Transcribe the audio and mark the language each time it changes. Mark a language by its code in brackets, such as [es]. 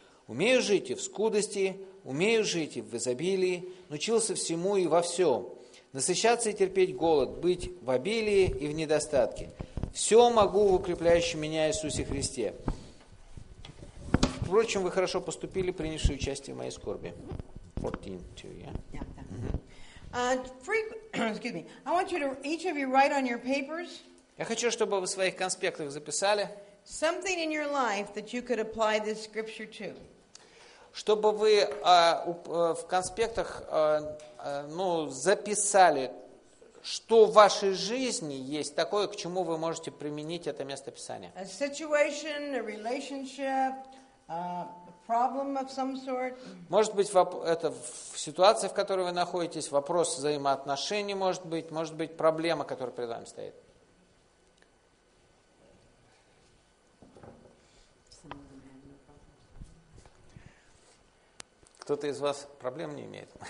[ru] Умею жить и в скудости, умею жить и в изобилии, научился всему и во всем. Насыщаться и терпеть голод, быть в обилии и в недостатке. Все могу в укрепляющем меня Иисусе Христе. Впрочем, вы хорошо поступили, принявши участие в моей скорби. [en] 14:2, yeah? excuse me. I want you to each of you write on your papers. [ru] Я хочу, чтобы вы в своих конспектах записали. [en] Something in your life that you could apply this scripture to. [ru] Чтобы вы в конспектах записали, что в вашей жизни есть такое, к чему вы можете применить это место Писания. [en] A situation, a relationship, problem of some sort. [ru] Может быть, это ситуация, в которой вы находитесь, вопрос взаимоотношений, может быть, проблема, которая перед вами стоит. Кто-то из вас проблем не имеет?